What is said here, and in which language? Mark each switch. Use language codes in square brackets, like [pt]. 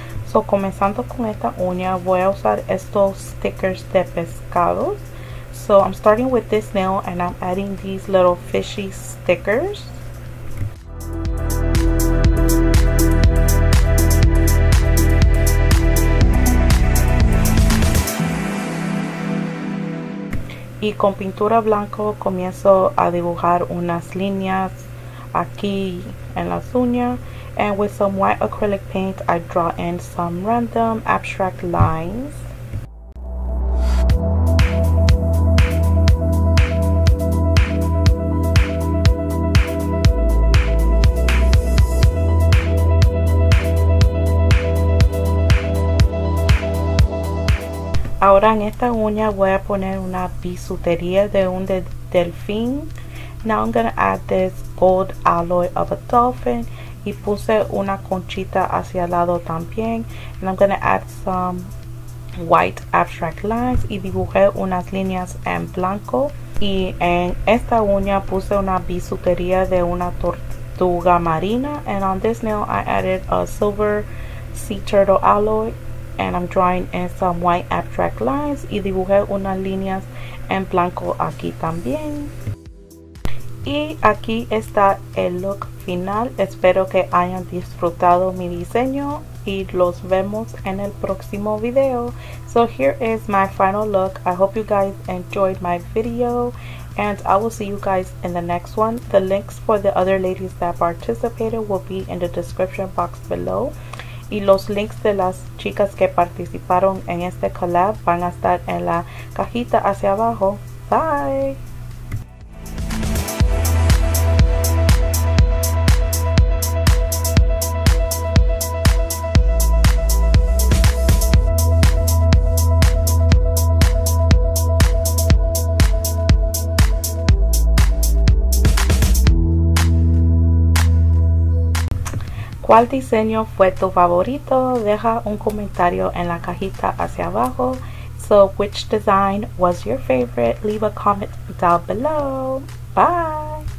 [es] So comenzando con esta uña, voy a usar estos stickers de pescados. [en] So I'm starting with this nail and I'm adding these little fishy stickers. [es] Y con pintura blanco comienzo a dibujar unas líneas aquí en las uñas. [en] And with some white acrylic paint, I draw in some random abstract lines. [es] Ahora en esta uña voy a poner una bisutería de un delfín. [en] Now I'm gonna add this gold alloy of a dolphin. [es] Y puse una conchita hacia el lado también. [en] And I'm gonna add some white abstract lines. [es] Y dibujé unas líneas en blanco. Y en esta uña puse una bisutería de una tortuga marina. [en] And on this nail I added a silver sea turtle alloy. And I'm drawing in some white abstract lines. [es] Y dibujé unas líneas en blanco aquí también. Y aquí está el look final. Espero que hayan disfrutado mi diseño. Y los vemos en el próximo video. [en] So here is my final look. I hope you guys enjoyed my video. And I will see you guys in the next one. The links for the other ladies that participated will be in the description box below. [es] Y los links de las chicas que participaron en este collab van a estar en la cajita hacia abajo. Bye. ¿Cuál diseño fue tu favorito? Deja un comentario en la cajita hacia abajo. [en] So, which design was your favorite? Leave a comment down below. Bye.